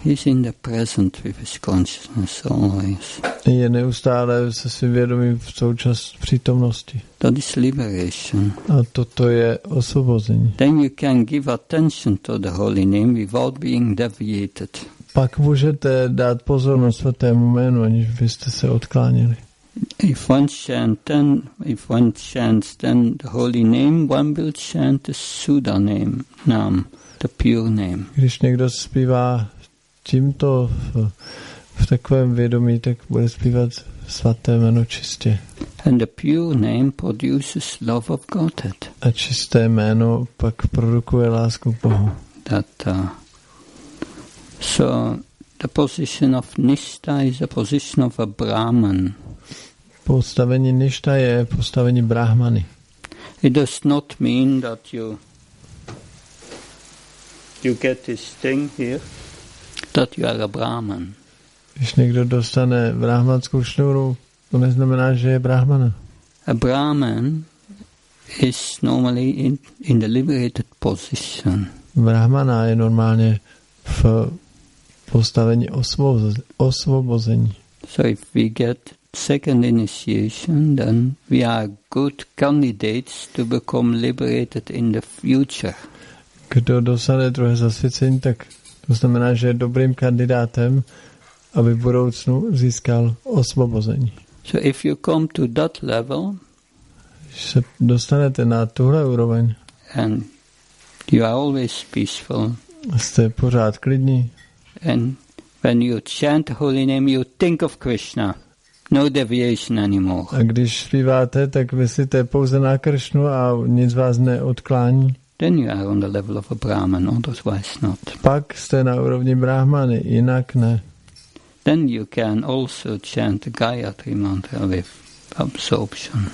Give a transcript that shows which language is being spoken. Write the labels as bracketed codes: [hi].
[en] He's in the present with his consciousness always. [cs] Je neustále se svým vědomím v součást přítomnosti. [en] That is liberation. [cs] A toto je osvobození. [en] Then you can give attention to the holy name without being deviated. [cs] Pak můžete dát pozornost svatému jménu, aniž byste se odklánili. [en] If one chants then the holy name, one will chant the Suda name, Nam. The pure name. [cs] Když někdo zpívá tímto v takovém vědomí, tak bude zpívat svaté jméno čistě. [en] And the pure name produces love of Godhead. [cs] A čisté jméno pak produkuje lásku k Bohu. [en] So the position of nishta is a position of a brahman. [cs] Postavení nishta je postavení brahmany. [en] It does not mean that you get this thing here, that you are a brahman. [cs] Když někdo dostane brahmanskou šňůru, to neznamená, že je brahmana. [en] A brahman is normally in the liberated position. [cs] Brahmana je normálně v postavení osvobození. [en] So if we get second initiation, then we are good candidates to become liberated in the future. [cs] Kdo dostane druhé zasvěcení, tak to znamená, že je dobrým kandidátem, aby v budoucnu získal osvobození. [en] So if you come to that level, [cs] když se dostanete na tuhle úroveň, [en] and you are always peaceful, [cs] jste pořád klidní, [en] and when you chant holy name, you think of Krishna, no deviation anymore. [cs] A když zpíváte, tak myslíte pouze na Krishnu a nic vás neodklání. [en] Then you are on the level of a brahman, otherwise not. [cs] Pak jste na úrovni brahmany, jinak ne. [en] Then you can also chant Gayatri mantra with absorption.